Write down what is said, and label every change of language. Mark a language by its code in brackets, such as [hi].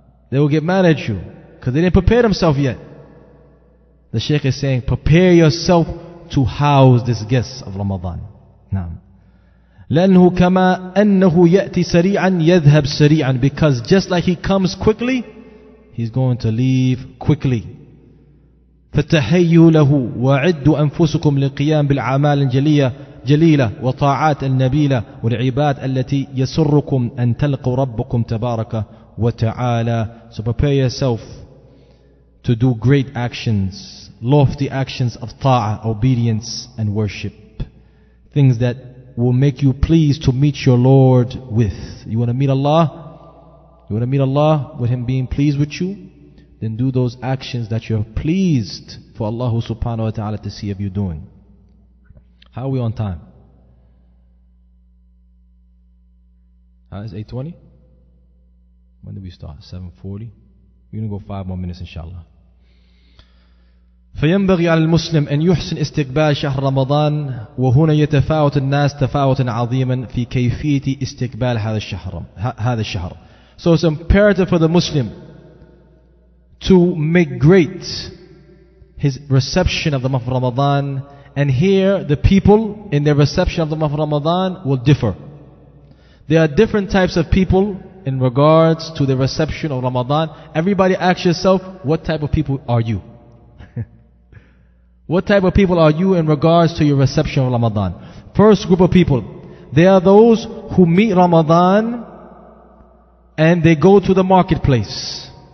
[en] They will get mad at you because they didn't prepare themselves yet. The Shaykh is saying, prepare yourself to house this guest of Ramadan. [ar] Naam. لَأَنْهُ كَمَا أَنَّهُ يَأْتِ سَرِيعًا يَذْهَبْ سَرِيعًا. [en] Because just like he comes quickly, he's going to leave quickly. [ar] فَتَحَيُّ لَهُ وَعِدُّ أَنفُسُكُمْ لِقِيَامِ بِالْعَمَالٍ جَلِيَّةٍ جليلة وطاعات النبيلة والعباد التي يسركم أن تلقوا ربكم تبارك وتعالى. [en] So prepare yourself to do great actions, lofty actions of ta'a, obedience and worship. Things that will make you pleased to meet your Lord with. You want to meet Allah? You want to meet Allah with Him being pleased with you? Then do those actions that you're pleased for Allah subhanahu wa ta'ala to see of you doing. How are we on time? It's 8:20? When did we start? 7:40? We're going to go 5 more minutes, inshallah. [ar] فَيَنْبَغِي عَلَى الْمُسْلِمِ أَنْ يُحْسِنْ إِسْتِقْبَالِ شَهْرَ رَمَضَانِ وَهُنَا يَتَفَاوَتِ النَّاسِ تَفَاوَتٍ عَظِيمًا فِي كَيْفِيَةِ إِسْتِقْبَالِ هَذَا الشَّهْرَ. [en] So it's imperative for the Muslim to make great his reception of the month of Ramadan. And here, the people in their reception of the month of Ramadan will differ. There are different types of people in regards to the reception of Ramadan. Everybody ask yourself, what type of people are you? What type of people are you in regards to your reception of Ramadan? First group of people, they are those who meet Ramadan and they go to the marketplace.